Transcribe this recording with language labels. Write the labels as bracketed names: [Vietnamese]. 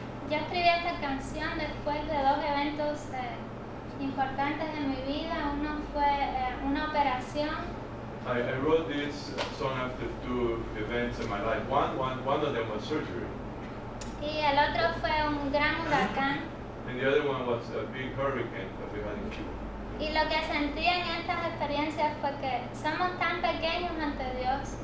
[Spanish] Yo escribí esta canción después de dos eventos importantes de mi vida. Uno fue una operación. [English] I wrote this song after two events in my life. One of them was surgery. [Spanish] Y el otro fue un gran huracán. [English] And the other one was a big hurricane that we had in Cuba. [Spanish] Y lo que sentí en estas experiencias fue que somos tan pequeños ante Dios.